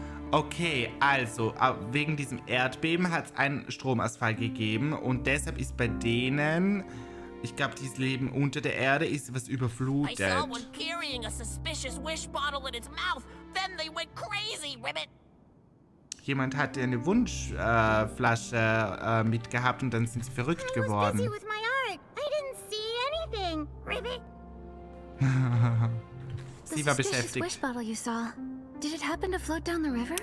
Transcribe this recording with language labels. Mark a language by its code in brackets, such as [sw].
[de] Okay, also, wegen diesem Erdbeben hat es einen Stromausfall gegeben und deshalb ist bei denen, ich glaube, dieses Leben unter der Erde ist was überflutet. [en] I saw one carrying a suspicious wish bottle in its mouth. Then they went crazy, Ribbit. [de] Jemand hatte eine Wunschflasche mitgehabt und dann sind sie verrückt geworden. [en] I was busy with my art. I didn't see anything, Ribbit. [de] Sie war beschäftigt. [en] Wish bottle you saw. Did it happen to float down the river?